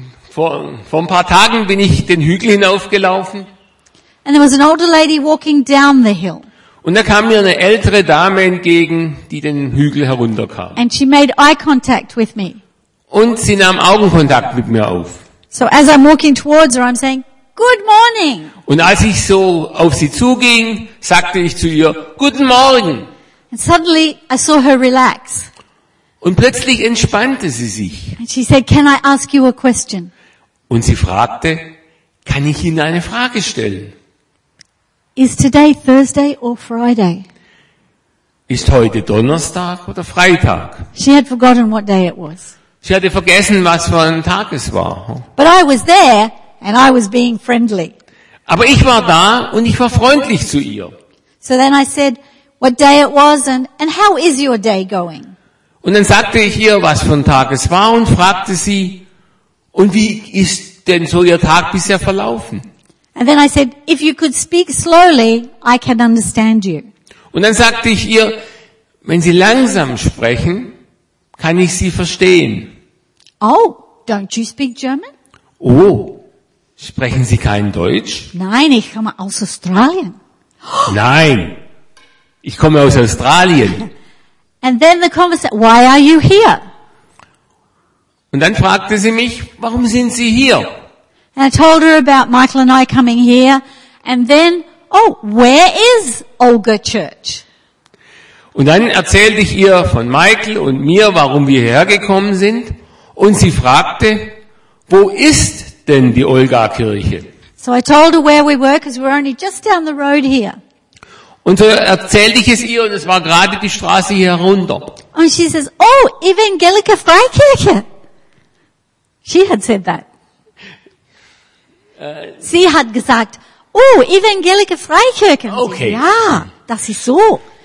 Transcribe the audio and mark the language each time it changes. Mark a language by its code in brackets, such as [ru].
[de] Vor ein paar Tagen bin ich den Hügel hinaufgelaufen. [en] And there was an older lady walking down the hill. [de] Und da kam mir eine ältere Dame entgegen, die den Hügel herunterkam. [en] And she made eye contact with me. [de] Und sie nahm Augenkontakt mit mir auf. [en] So as I'm walking towards her, I'm saying, "Good morning." [de] Und als ich so auf sie zuging, sagte ich zu ihr, "Guten Morgen." [en] And suddenly I saw her relax. [de] Und plötzlich entspannte sie sich. [en] And she said, "Can I ask you a question?" [de] Und sie fragte, "Kann ich Ihnen eine Frage stellen?" [en] Is today Thursday or Friday? [de] Ist heute Donnerstag oder Freitag? [en] She had forgotten what day it was. [de] Sie hatte vergessen, was für ein Tag es war. [en] But I was there and I was being friendly. [de] Aber ich war da und ich war freundlich zu ihr. [en] So then I said, "What day it was and how is your day going?" [de] Und dann sagte ich ihr, was für ein Tag es war und fragte sie, und wie ist denn so ihr Tag bisher verlaufen? [en] And then I said, if you could speak slowly, I can understand you. [de] Und dann sagte ich ihr, wenn Sie langsam sprechen, kann ich Sie verstehen. [en] Oh, don't you speak German? [de] Oh, sprechen Sie kein Deutsch? Nein, ich komme aus Australien. Nein, ich komme aus Australien. [en] And then the conversation, why are you here? [de] Und dann fragte sie mich, warum sind Sie hier? [en] And I told her about Michael and I coming here. And then, oh, where is Olga Church? [de] Und dann erzählte ich ihr von Michael und mir, warum wir hierher gekommen sind. Und sie fragte, wo ist denn die Olga-Kirche? [en] So I told her where we were, because we're only just down the road here. [de] Und so erzählte ich es ihr und es war gerade die Straße hier herunter. [en] And she says, oh, Evangelische Freikirche. She had said that. [de] Sie hat gesagt, oh, Evangelische Freikirche. [en] Okay. [de] Ja, das ist so.